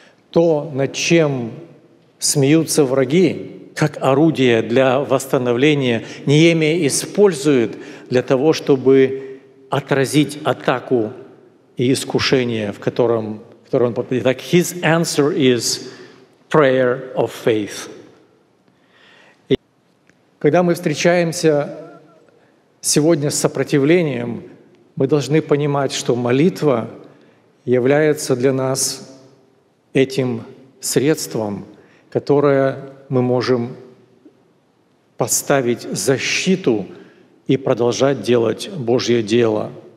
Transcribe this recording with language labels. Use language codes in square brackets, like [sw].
[ru] То, над чем смеются враги, как орудие для восстановления, Неемия использует для того, чтобы отразить атаку и искушение, в котором он попадает. Так, [en] his answer is prayer of faith. [ru] И когда мы встречаемся сегодня с сопротивлением, мы должны понимать, что молитва является для нас этим средством, которое мы можем поставить защиту и продолжать делать Божье дело.